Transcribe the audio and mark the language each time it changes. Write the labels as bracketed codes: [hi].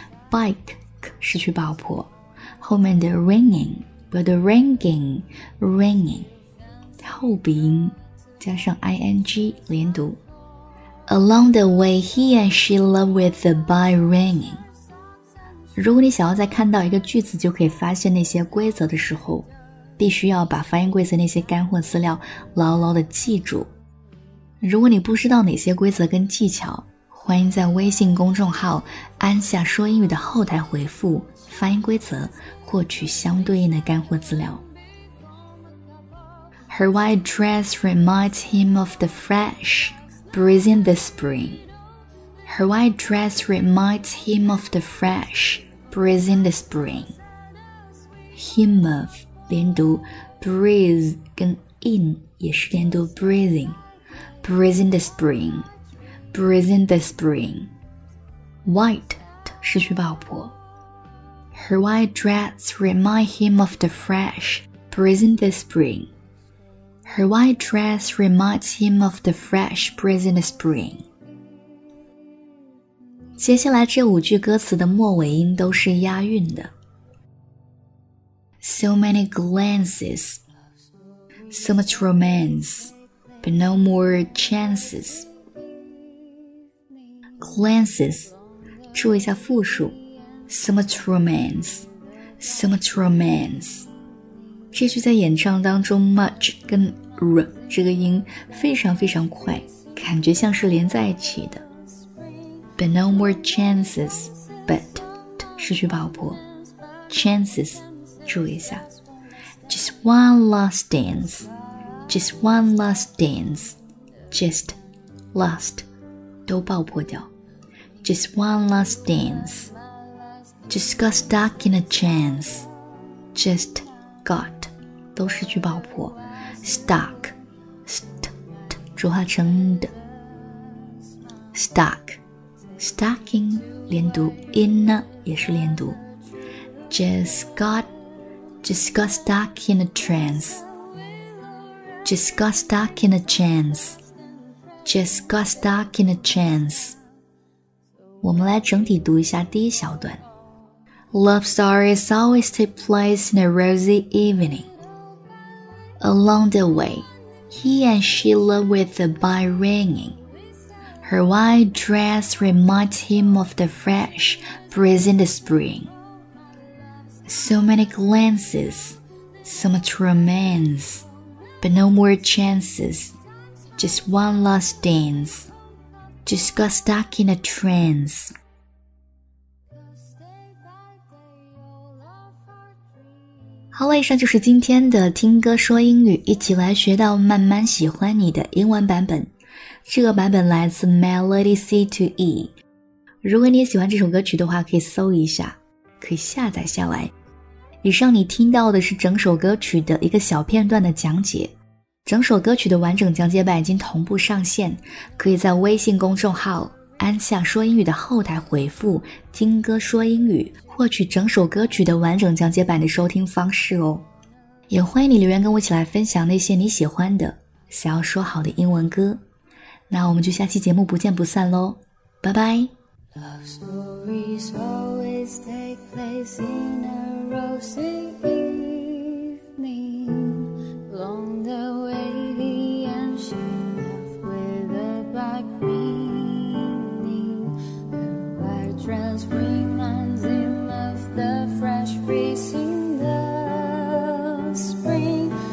[zh] Bike 失去爆破，后面的 ringing， 不要读 ringing， ringing 后鼻音加上 ing 连读。 [en] Along the way, he and she love with the bell ringing. [zh] 如果你想要在看到一个句子就可以发现那些规则的时候，必须要把发音规则那些干货资料牢牢地记住。如果你不知道哪些规则跟技巧，欢迎在微信公众号安夏说英语的后台回复发音规则，获取相对应的干货资料。 [en] Her white dress reminds him of the fresh breeze in the springHer white dress reminds him of the fresh breeze in the spring. Him of [zh] 连读 [en] breeze 跟 in 也是连读 breezing. Breeze in the spring, breeze in the spring. White [zh] 失去爆破。 [en] Her white dress reminds him of the fresh breeze in the spring. Her white dress reminds him of the fresh breeze in the spring. [zh] 接下来这五句歌词的末尾音都是押韵的。 [en] So many glances, so much romance, but no more chances. [zh] Glances, 注意一下复数。 [en] So much romance, so much romance. [zh] 这句在演唱当中 much 跟 r 这个音非常非常快，感觉像是连在一起的。 [en] But no more chances, but [zh] 失去爆破 [en] chances. [zh] 注意一下 [en] Just one last dance Just last 都爆破掉 Just one last dance Just got stuck in a chance Just got 都失去爆破 Stuck st 浊化成的 Stuck Stucking 连读 in 也是连读 Just got stuck in a chance. [zh] 我们来整体读一下第一小段。 [en] Love stories always take place in a rosy evening. Along the way, he and she love with the bell ringing. Her white dress reminds him of the fresh breeze in the spring. So many glances, so much romance, but no more chances. Just one last dance, just got stuck in a trance. [zh] 好了，以上就是今天的听歌说英语，一起来学到慢慢喜欢你的英文版本。这个版本来自 Melody C to E。如果你也喜欢这首歌曲的话，可以搜一下，可以下载下来。以上你听到的是整首歌曲的一个小片段的讲解，整首歌曲的完整讲解版已经同步上线，可以在微信公众号安夏说英语的后台回复听歌说英语，获取整首歌曲的完整讲解版的收听方式哦。也欢迎你留言跟我一起来分享那些你喜欢的想要说好的英文歌。那我们就下期节目不见不散咯，拜拜。 [en] Love stories always take place in a rosy evening. Along the way, he and she left with a bag ringing. Her white dress reminds him of the fresh breeze in the spring.